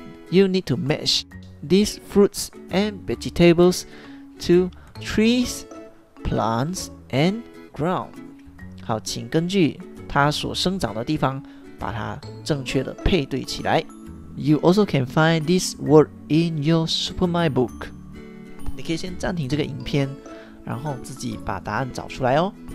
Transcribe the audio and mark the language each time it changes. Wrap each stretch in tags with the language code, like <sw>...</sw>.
<en>You need to match these fruits and vegetables to trees, plants, and ground.</en> <zh>好, 请根据它所生长的地方 把它正确的配对起来。</zh> <en>You also can find this word in your supermind book.</en> <zh>你可以先暂停这个影片, 然后自己把答案找出来哦。</zh>